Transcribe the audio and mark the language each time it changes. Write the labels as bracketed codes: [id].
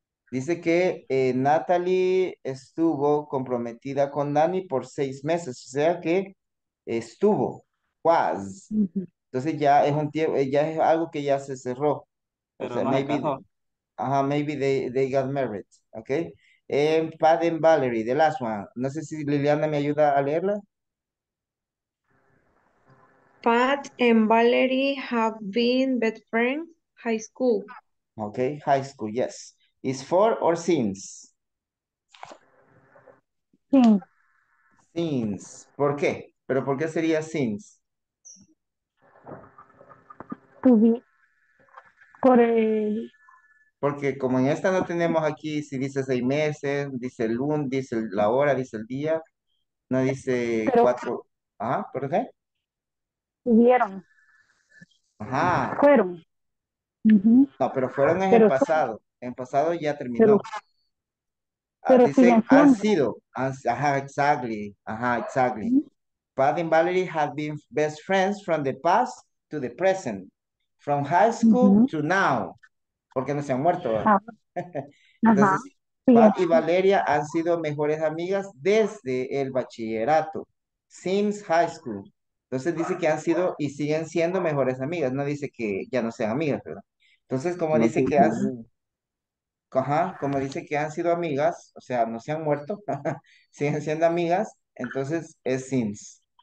[es] Dice que Natalie estuvo comprometida con Dani por 6 meses, o sea que estuvo, was. Entonces ya es un tiempo, ya es algo que ya se cerró. Pero o sea, maybe. Caso. [en] Maybe they got married, okay? Pat and Valerie, the last one. [es] No sé si Liliana me ayuda a leerla. [en] Pat and Valerie have been best friends high school. Okay, high school, yes. Is for or since? Since. [es] ¿Por qué? ¿Pero por qué sería since? [en] To be. [es] Por el... Porque como en esta no tenemos aquí, si dice 6 meses, dice el lunes, dice la hora, dice el día, no dice pero, 4. Ajá, ¿por qué? Vieron. Ajá. Fueron. No, pero fueron en el pasado. En pasado ya terminó. Pero dice, han sido. Exactly. [en] Pat and Valerie have been best friends from the past to the present. From high school to now. [es] porque no se han muerto. Ah. Entonces, Pat y Valeria han sido mejores amigas desde el bachillerato, [en] since high school. [es] Entonces dice que han sido y siguen siendo mejores amigas. No dice que ya no sean amigas, ¿verdad? Entonces, como dice que han... Ajá, como dice que han sido amigas, o sea, no se han muerto, siguen siendo amigas, entonces es since.